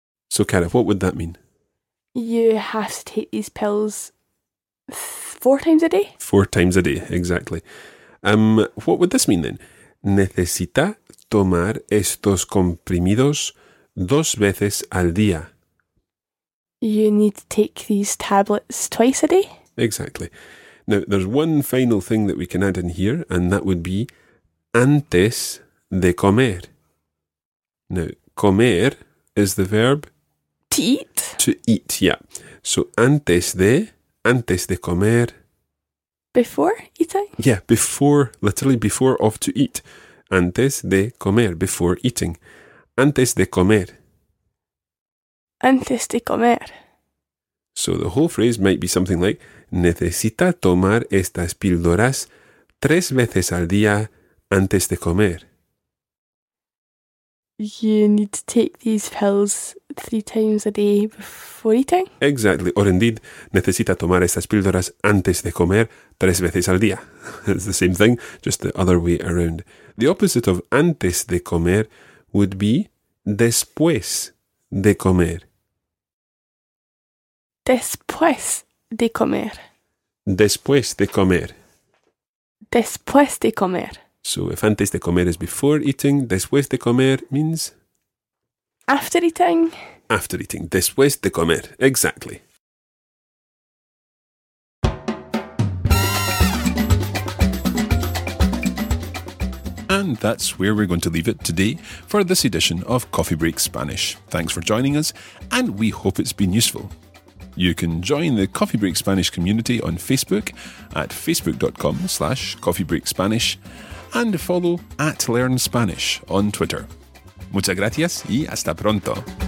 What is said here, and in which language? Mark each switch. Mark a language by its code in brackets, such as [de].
[en] So, Cara, what would that mean? You have to take these pills 4 times a day? 4 times a day, exactly. What would this mean then? [es] Necesita tomar estos comprimidos 2 veces al día. [en] You need to take these tablets 2 times a day? Exactly. Now, there's one final thing that we can add in here, and that would be [es] antes de comer. [en] Now, comer is the verb... To eat. To eat, yeah. So, [es] antes de comer... [en] Before eating? Yeah, before, literally before of to eat. [es] Antes de comer, [en] before eating. [es] Antes de comer. Antes de comer. [en] So the whole phrase might be something like, [es] necesita tomar estas píldoras 3 veces al día antes de comer. [en] You need to take these pills 3 times a day before eating? Exactly. Or indeed, [es] necesita tomar estas píldoras antes de comer 3 veces al día. [en] It's the same thing, just the other way around. The opposite of [es] antes de comer [en] would be [es] después de comer. Después de comer. Después de comer. Después de comer. [en] So if [es] antes de comer [en] is before eating, [es] después de comer [en] means? After eating. After eating. [es] Después de comer. [en] Exactly. that's where we're going to leave it today for this edition of Coffee Break Spanish. Thanks for joining us, and we hope it's been useful. You can join the Coffee Break Spanish community on Facebook at facebook.com/coffeebreakspanish and follow at Learn Spanish on Twitter. [es] Muchas gracias y hasta pronto.